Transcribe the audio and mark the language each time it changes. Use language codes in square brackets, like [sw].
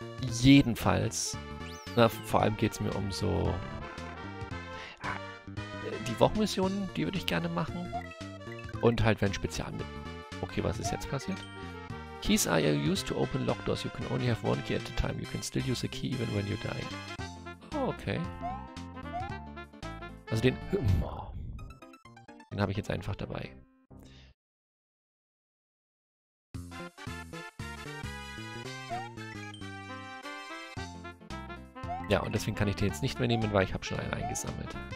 [de] Jedenfalls... Na, vor allem geht es mir um so... Die Wochenmissionen, die würde ich gerne machen. Und halt, wenn Spezial mit... Okay, was ist jetzt passiert? [en] Keys are used to open locked doors. You can only have one key at a time. You can still use a key even when you die. Oh, okay. [de] Also den... Den habe ich jetzt einfach dabei. Ja, und deswegen kann ich den jetzt nicht mehr nehmen, weil ich habe schon einen eingesammelt.